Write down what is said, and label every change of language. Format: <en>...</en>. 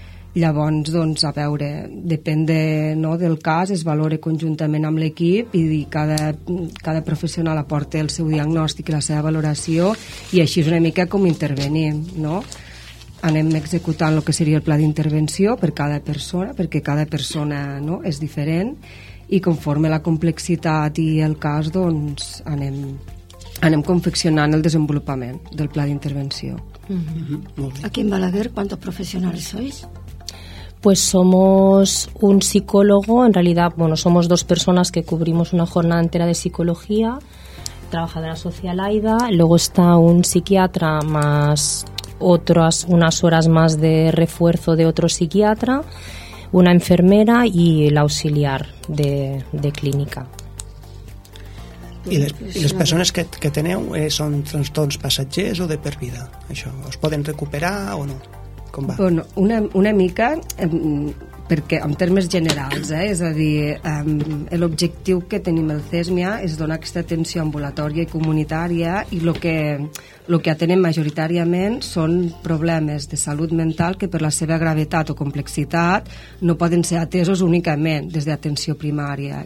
<ca>Llavors, doncs, a veure, depèn de, no, del cas, es valora conjuntament amb l'equip i cada professional aporta el seu diagnòstic i la seva valoració, i així és una mica com intervenim, no? Anem executant el que seria el pla d'intervenció per cada persona, perquè cada persona, no, és diferent, i conforme la complexitat i el cas, doncs anem confeccionant el desenvolupament del pla d'intervenció. Mm-hmm.</ca> <es>Aquí en Balaguer, ¿cuántos profesionales sois? Pues somos un psicólogo, en realidad, bueno, somos dos personas que cubrimos una jornada entera de psicología, trabajadora social AIDA, luego está un psiquiatra más unas horas más de refuerzo de otro psiquiatra, una enfermera y el auxiliar de clínica.</es> <ca>¿Y les persones que teniu són trastorns passatgers o de per vida? Això, es poden recuperar o no? Com va? Bueno, una mica, perquè en termes generals, és a dir, l'objectiu que tenim el CESMIA és donar aquesta atenció ambulatòria i comunitària, i el que atenem majoritàriament són problemes de salut mental que per la seva gravetat o complexitat no poden ser atesos únicament des d'atenció primària.</ca>